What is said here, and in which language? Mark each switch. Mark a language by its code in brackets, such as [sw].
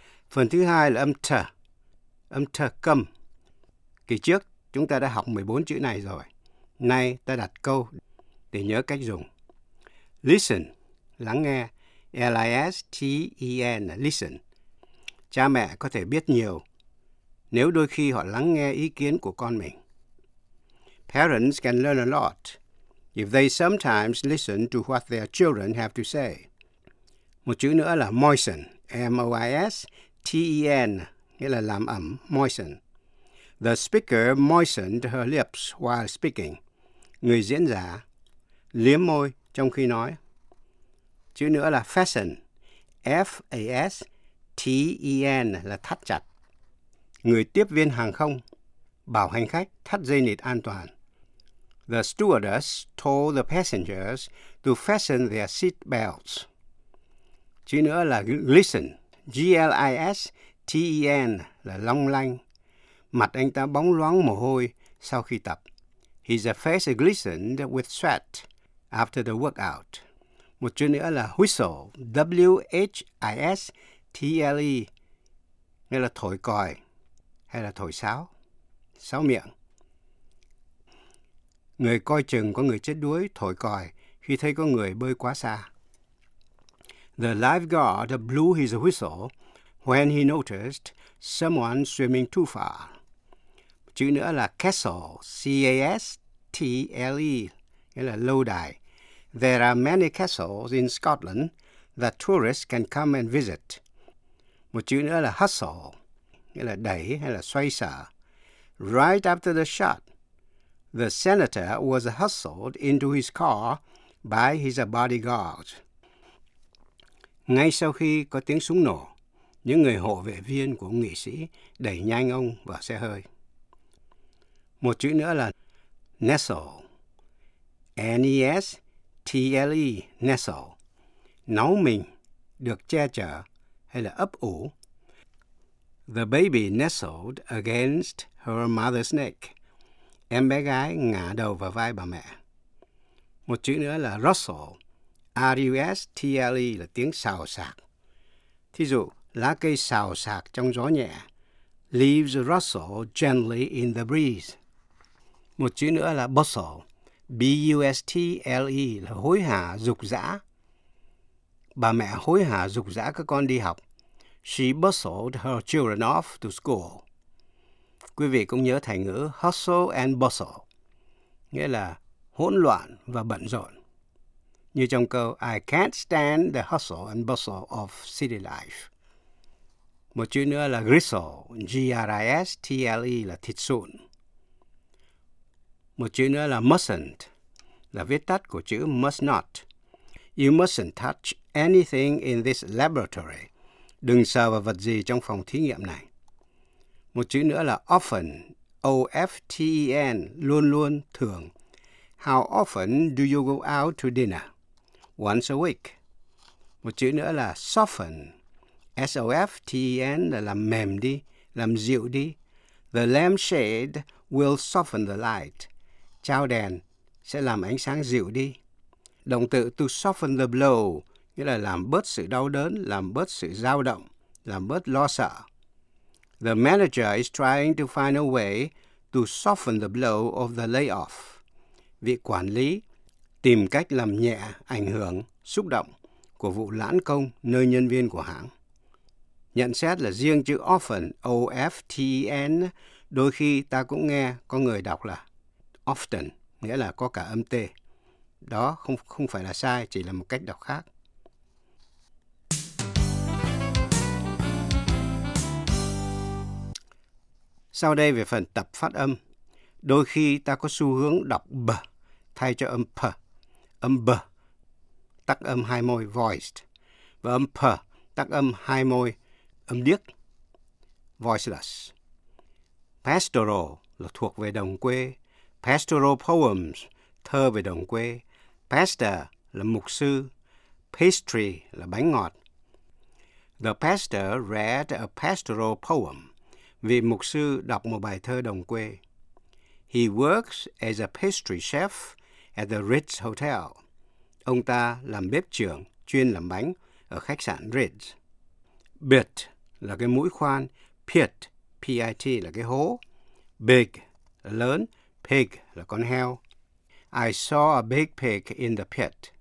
[vi] Phần thứ hai là âm T. Âm T câm. Kỳ trước chúng ta đã học 14 chữ này rồi. Nay ta đặt câu để nhớ cách dùng. Listen, lắng nghe. L-I-S-T-E-N, listen. Cha mẹ có thể biết nhiều nếu đôi khi họ lắng nghe ý kiến của con mình. [en] Parents can learn a lot if they sometimes listen to what their children have to say. [vi] Một chữ nữa là moisten, M-O-I-S-T-E-N, nghĩa là làm ẩm, moisten. [en] The speaker moistened her lips while speaking. [vi] Người diễn giả liếm môi trong khi nói. Chữ nữa là fasten, F-A-S-T-E-N là thắt chặt. Người tiếp viên hàng không bảo hành khách thắt dây nịt an toàn. [en] The stewardess told the passengers to fasten their seat belts. [vi] Chữ nữa là glisten, G-L-I-S-T-E-N là long lanh. Mặt anh ta bóng loáng mồ hôi sau khi tập. [en] His face glistened with sweat after the workout. [vi] Một chữ nữa là whistle, W-H-I-S-T-L-E, nghĩa là thổi còi hay là thổi sáo, sáo miệng. Người coi chừng có người chết đuối thổi còi khi thấy có người bơi quá xa. [en] The lifeguard blew his whistle when he noticed someone swimming too far. [vi] Chữ nữa là castle, C-A-S-T-L-E, nghĩa là lâu đài. [en] There are many castles in Scotland that tourists can come and visit. [vi] Một chữ nữa là hustle, nghĩa là đẩy hay là xoay sở. [en] Right after the shot, the senator was hustled into his car by his bodyguard. [vi] Ngay sau khi có tiếng súng nổ, những người hộ vệ viên của nghị sĩ đẩy nhanh ông vào xe hơi. Một chữ nữa là nestle, N-E-S. T-L-E, nestle, náu mình, được che chở, hay là ấp ủ. [en] The baby nestled against her mother's neck. [vi] Em bé gái ngả đầu vào vai bà mẹ. Một chữ nữa là rustle, R-U-S-T-L-E là tiếng xào xạc. Thí dụ, lá cây xào xạc trong gió nhẹ. [en] Leaves rustle gently in the breeze. [vi] Một chữ nữa là bustle, B-U-S-T-L-E là hối hả, dục dã. Bà mẹ hối hả dục dã các con đi học. [en] She bustled her children off to school. [vi] Quý vị cũng nhớ thành ngữ hustle and bustle, nghĩa là hỗn loạn và bận rộn. Như trong câu [en] I can't stand the hustle and bustle of city life. [vi] Một chữ nữa là gristle, G-R-I-S-T-L-E là thịt sụn. Một chữ nữa là mustn't, là viết tắt của chữ must not. [en] You mustn't touch anything in this laboratory. [vi] Đừng sờ vào vật gì trong phòng thí nghiệm này. Một chữ nữa là often, O-F-T-E-N, luôn luôn, thường. [en] How often do you go out to dinner? Once a week. [vi] Một chữ nữa là soften, S-O-F-T-E-N, là làm mềm đi, làm dịu đi. [en] The lampshade will soften the light. [vi] Chao đèn sẽ làm ánh sáng dịu đi. Động từ to soften the blow, nghĩa là làm bớt sự đau đớn, làm bớt sự dao động, làm bớt lo sợ. [en] The manager is trying to find a way to soften the blow of the layoff. [vi] Vị quản lý tìm cách làm nhẹ ảnh hưởng, xúc động của vụ lãn công nơi nhân viên của hãng. Nhận xét là riêng chữ often, O-F-T-E-N, đôi khi ta cũng nghe có người đọc là often, nghĩa là có cả âm T. Đó không phải là sai, chỉ là một cách đọc khác. Sau đây về phần tập phát âm, đôi khi ta có xu hướng đọc b thay cho âm p, âm b tắc âm hai môi voiced và âm p tắc âm hai môi âm điếc voiceless. Pastoral là thuộc về đồng quê, pastoral poems thơ về đồng quê, pastor là mục sư, pastry là bánh ngọt. [en] The pastor read a pastoral poem. [vi] Vị mục sư đọc một bài thơ đồng quê. [en] He works as a pastry chef at the Ritz Hotel. [vi] Ông ta làm bếp trưởng chuyên làm bánh ở khách sạn Ritz. Bit là cái mũi khoan, pit, P-I-T là cái hố. Big là lớn, pig là con heo. [en] I saw a big pig in the pit.